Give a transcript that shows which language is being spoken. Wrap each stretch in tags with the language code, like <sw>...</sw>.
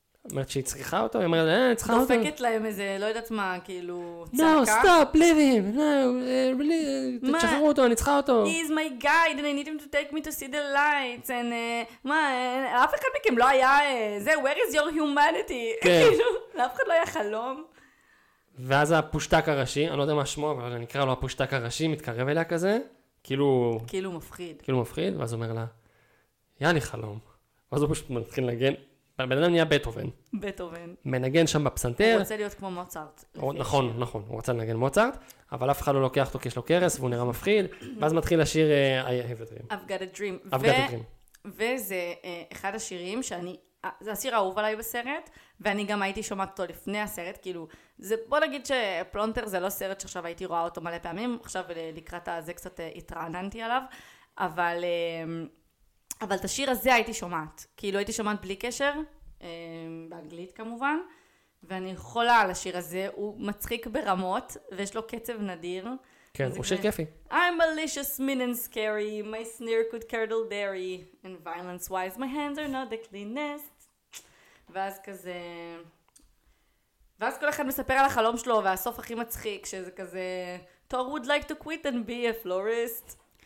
<he>אומרת שהיא צריכה אותו, היא אומרת, אני צריכה אותו. דופקת להם איזה, לא יודעת מה, כאילו, צעקה.</he> <en>No, stop, leave him. No, really,</en> <he>תשחררו אותו, אני צריכה אותו.</he> <en>He is my guide, and I need him to take me to see the lights.</en> <he>And, מה, אף אחד מכם לא היה, זה,</he> <en>where is your humanity?</en> <he>כאילו, לאף אחד לא היה חלום. ואז הפושטק הראשי, אני לא יודע מה שמו, אבל אני אקרא לו הפושטק הראשי, מתקרב אליה כזה, כאילו... כאילו מפחיד. כאילו מפחיד, ואז אומר לה, יהיה לי חלום. ואז הוא פשוט מתחיל לנגן, הבן אדם נהיה בטהובן. בטהובן. מנגן שם בפסנתר. הוא רוצה להיות כמו מוצרט. נכון, נכון, הוא רוצה לנגן מוצרט, אבל אף אחד לא לוקח אותו כי יש לו קרס, והוא נראה מפחיד, ואז מתחיל השיר I Have a Dream.</he> <en>I've Got a Dream. I've Got a Dream.</en> <he>וזה אחד השירים שאני... זה השיר האהוב עליי בסרט, ואני גם הייתי שומעת אותו לפני הסרט, כאילו, זה, בוא נגיד שפלונטר זה לא סרט שעכשיו הייתי רואה אותו מלא פעמים, עכשיו לקראת הזה קצת התרעננתי עליו, אבל, אבל את השיר הזה הייתי שומעת, כאילו הייתי שומעת בלי קשר, באנגלית כמובן, ואני חולה על השיר הזה, הוא מצחיק ברמות, ויש לו קצב נדיר. כן, הוא שיר כיפי.</he> <en>I'm malicious, mean and scary, my sneer could curdle dairy, and violence wise, my hands are not the cleanest.</en> <he>ואז כזה... ואז כל אחד מספר על החלום שלו, והסוף הכי מצחיק, שזה כזה...</he> <en>Thor would like to quit and be a florist.</en>